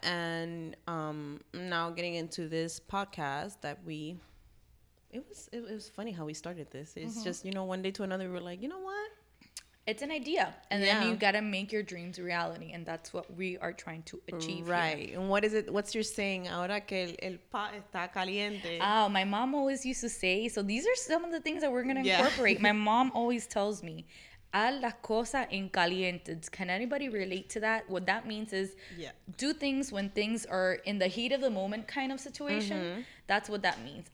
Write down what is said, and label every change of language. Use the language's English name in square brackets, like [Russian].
[English] And now getting into this podcast that we, it was funny how we started this. It's mm-hmm. just, you know, one day to another, we're like, you know what? It's an idea. And yeah. then you got to make your dreams reality. And that's what we are trying to achieve. Right. Here. And what is it? What's your saying? [Spanish] Ahora que el pa está caliente. [English] Oh, my mom always used to say, so these are some of the things that we're going to incorporate. My mom always tells me, [Spanish] a la cosa en caliente. [English] Can anybody relate to that? What that means is do things when things are in the heat of the moment kind of situation. Mm-hmm. That's what that means.